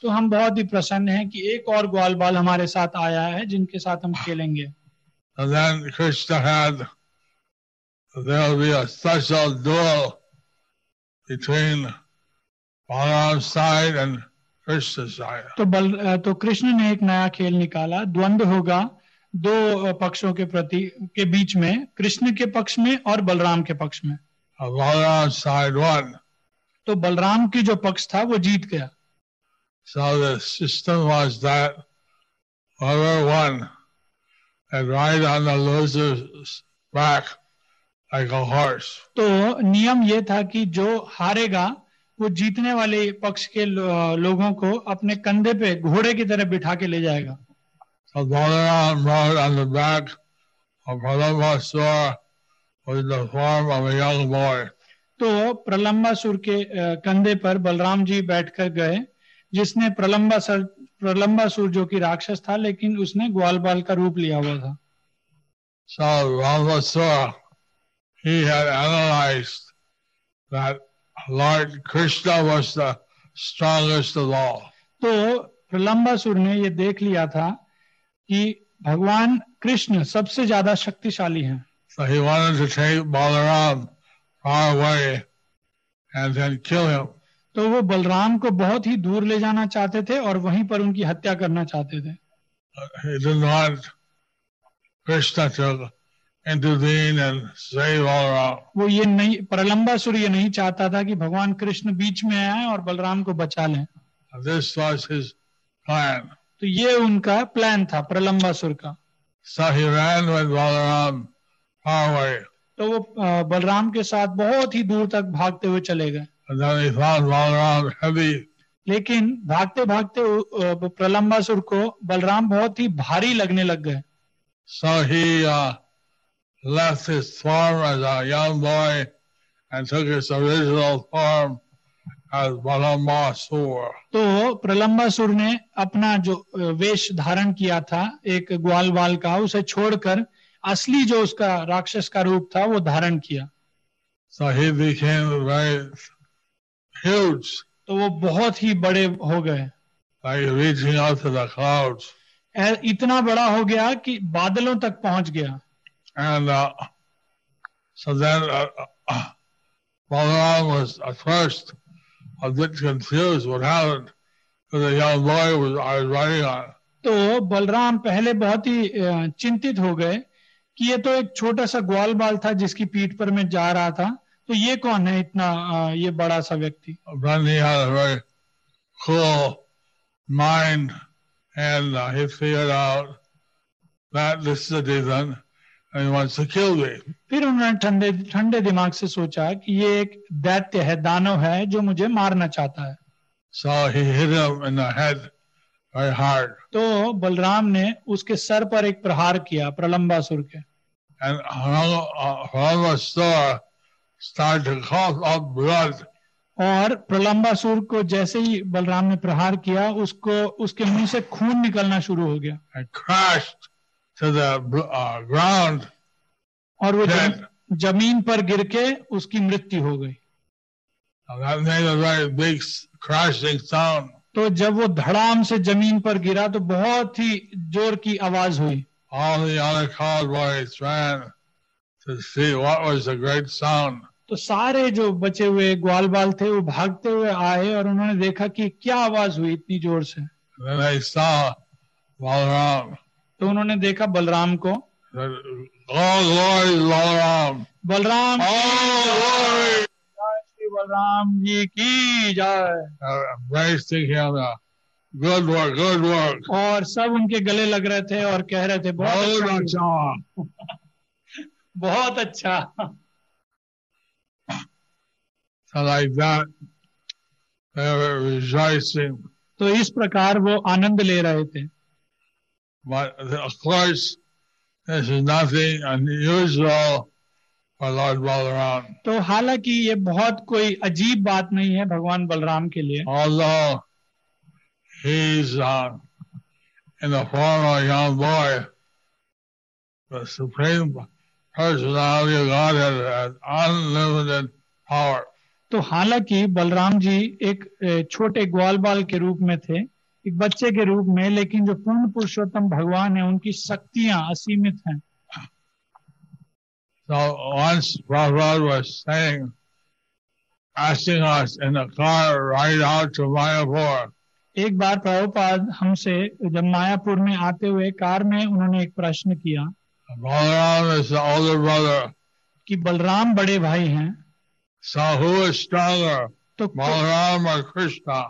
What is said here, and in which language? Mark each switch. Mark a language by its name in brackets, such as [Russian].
[Hindi] तो हम बहुत ही प्रसन्न हैं कि एक और ग्वाल बाल हमारे साथ आया है जिनके साथ हम खेलेंगे. [English] And then Krishna had there will be a special duel between Balaram's side and Krishna's side. [Hindi] तो कृष्ण ने एक नया खेल निकाला. द्वंद होगा दो पक्षों के प्रति के बीच में, कृष्ण के पक्ष में और बलराम के पक्ष में. [English] Balaram's side won. [Hindi] तो बलराम की जो पक्ष था वो जीत गया. [English] So the system was that whoever won and ride on the loser's back like a horse. [Hindi] तो नियम ये था कि जो हारेगा वो जीतने वाले पक्ष के लोगों को अपने कंधे पे घोड़े की तरह बिठा के ले जाएगा. [English] So Balaram rode on the back of Pralambasura with the form of a young boy. [Hindi] तो प्रलंबासुर के कंधे पर बलराम जी बैठकर गए जिसने प्रलंबासुर प्रलंबा सूर जो कि राक्षस था लेकिन उसने ग्वाल बाल का रूप लिया हुआ था. [English] So Vamasura, he had analyzed that Lord Krishna was the strongest of all. [Hindi] तो प्रलंबासुर ने ये देख लिया था कि भगवान कृष्ण सबसे ज्यादा शक्तिशाली हैं. [English] So he wanted to take Balaram far away and then kill him. [Hindi] तो वो बलराम को बहुत ही दूर ले जाना चाहते थे और वहीं पर उनकी हत्या करना चाहते थे. [English] He did not. Krishna चल intervene and save Balaram. [Hindi] वो ये नहीं, प्रलंबासुर ये नहीं चाहता था कि भगवान कृष्ण बीच में आए और बलराम को बचा लें. [English] This was his plan. [Hindi] तो ये उनका प्लान था प्रलंबासुर का. [English] So he ran with Balaram far away. [Hindi] तो वो बलराम के साथ बहुत ही दूर तक भागते हुए चले गए. [English] And then he found Balaram heavy. [Hindi] लेकिन भागते भागते प्रलंबासुर को बलराम बहुत ही भारी लगने लग गए. [English] So he left his form as a young boy and took his original form as Balambasur. [Hindi] तो प्रलंबासुर ने अपना जो वेश धारण किया था एक ग्वाल बाल का उसे छोड़कर असली जो उसका राक्षस का रूप था वो धारण किया. [English] So he became very huge. [Hindi] तो वो बहुत ही बड़े हो गए. [English] Like reaching out to the clouds. [Hindi] इतना बड़ा हो गया कि बादलों तक पहुंच गया. [English] And so then Balaram was at first a bit confused what happened to the young boy I was riding on. [Hindi] तो बलराम पहले बहुत ही चिंतित हो गए कि ये तो एक छोटा सा ग्वाल बाल था जिसकी पीठ पर मैं जा रहा था, तो ये कौन है इतना ये बड़ा सा व्यक्ति. [English] Then he had a very cool mind. And he figured out that this is a demon and he wants to kill me. [Hindi] फिर उन्होंने ठंडे ठंडे दिमाग से सोचा कि ये एक दैत्य है, दानव है जो मुझे मारना चाहता है. [English] So he hit him in the head very hard. [Hindi] तो बलराम ने उसके सर पर एक प्रहार किया प्रलंबासुर के. [English] And Prahlambasura started to cough up blood. [Hindi] और प्रलंबासुर को जैसे ही बलराम ने प्रहार किया उसको उसके मुंह से खून निकलना शुरू हो गया. [English] And crashed to the ground. [Hindi] और वो जमीन पर गिर के उसकी मृत्यु हो गई. [English] That made a very big crashing sound. [Hindi] तो जब वो धड़ाम से जमीन पर गिरा तो बहुत ही जोर की आवाज हुई. [English] All the other cowboys boys ran to see what was the great sound. [Hindi] तो सारे जो बचे हुए ग्वाल बाल थे वो भागते हुए आए और उन्होंने देखा कि क्या आवाज हुई इतनी जोर से. [English] Then I saw Balaram. [Hindi] तो उन्होंने देखा बलराम को. [English] All glory Balaram. [Hindi] Balram. [English] All glory. [Hindi] Balram ji की जय. [English] Good work, good work. [Hindi] और सब उनके गले लग रहे थे और कह रहे थे बहुत अच्छा. बहुत अच्छा. [English] Like that, they were rejoicing. [Hindi] तो इस प्रकार वो आनंद ले रहे थे. [English] But of course, this is nothing unusual for Lord Balaram. [Hindi] तो हालांकि ये बहुत कोई अजीब बात नहीं है भगवान बलराम के लिए. [English] Although he's in the form of a young boy, the supreme personality of God has unlimited power. [Hindi] तो हालांकि बलराम जी एक छोटे ग्वाल बाल के रूप में थे, एक बच्चे के रूप में, लेकिन जो पूर्ण पुरुषोत्तम भगवान है उनकी शक्तियां असीमित हैं. [English] So once Prabhupada was saying, asking us in a car ride out to Mayapur. [Hindi] एक बार प्रभुपाद हमसे जब मायापुर में आते हुए कार में उन्होंने एक प्रश्न किया. [English] Balaram is the older brother. [Hindi] कि बलराम बड़े भाई हैं. [English] So who is stronger, Balaram or Krishna?